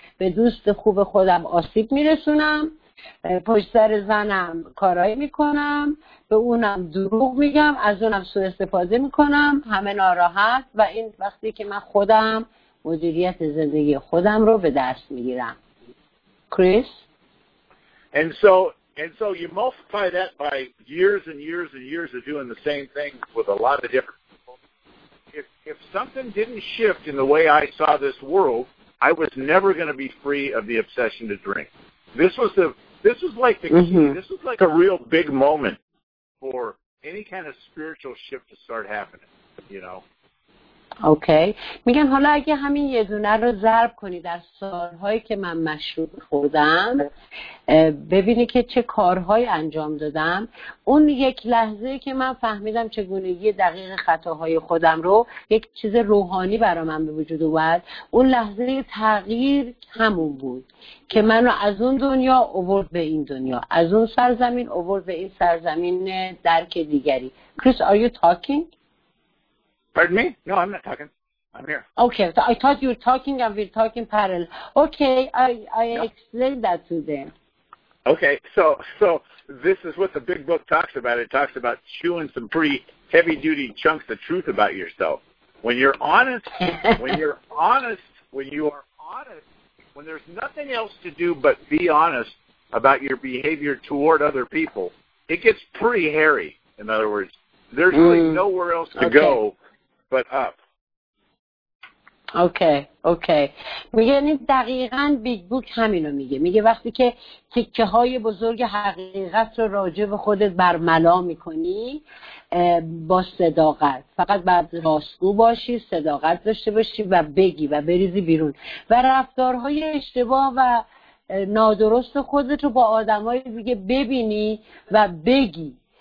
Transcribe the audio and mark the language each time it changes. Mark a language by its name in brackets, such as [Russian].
[Persian] به دوست خوب خودم آسیب میرسونم، پشت سر زنم کارایی میکنم، به اونم دروغ میگم، از اونم سوء استفاده میکنم، همه ناراحت، و این وقتی که من خودم مدیریت زندگی خودم رو به دست میگیرم. کریس؟ [English] And so you multiply that by years and years and years of doing the same thing with a lot of different people. If something didn't shift in the way I saw this world, I was never going to be free of the obsession to drink. This was like a real big moment for any kind of spiritual shift to start happening, you know. Okay. [Persian] میگم حالا اگه همین یه دونه رو ضرب کنی در سالهایی که من مشروب خوردم، ببینی که چه کارهایی انجام دادم. اون یک لحظه که من فهمیدم چگونگی دقیق خطاهای خودم رو، یک چیز روحانی برا من به وجود اومد. اون لحظه تغییر همون بود که من رو از اون دنیا آورد به این دنیا، از اون سرزمین آورد به این سرزمین درک دیگری. کریس، [English] are you talking? Pardon me? No, I'm not talking. I'm here. Okay, so I thought you were talking and we're talking parallel. Okay, I explained that to them. Okay, so this is what the big book talks about. It talks about chewing some pretty heavy-duty chunks of truth about yourself. When you're honest, when there's nothing else to do but be honest about your behavior toward other people, it gets pretty hairy. In other words, there's really nowhere else to go. But up. Okay. [Persian] میگه یعنی دقیقاً بیگ بوک همینو میگه. میگه وقتی که تکه های بزرگ حقیقت رو راجع به خودت برملا میکنی با صداقت، فقط باید راستگو باشی، صداقت داشته باشی و بگی و بریزی بیرون، و رفتارهای اشتباه و نادرست خودت رو با آدمای دیگه ببینی و بگی.